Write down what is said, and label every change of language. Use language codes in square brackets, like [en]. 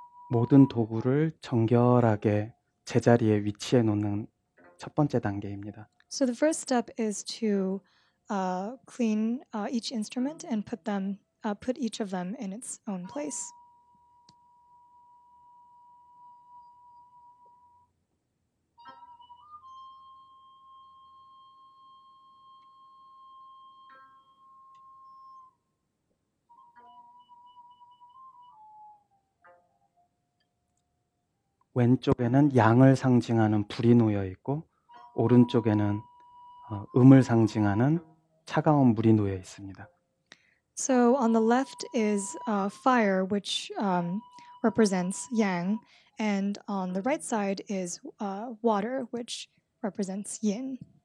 [ko] 모든 도구를 정결하게 제자리에 위치해 놓는 첫 번째 단계입니다. [en] So the first step is to clean each instrument and put them, put each of them in its own place. [ko] 왼쪽에는 양을 상징하는 불이 놓여 있고 오른쪽에는 음을 상징하는 차가운 물이 놓여 있습니다. [en] So on the left is fire, which represents yang, and on the right side is water, which represents yin.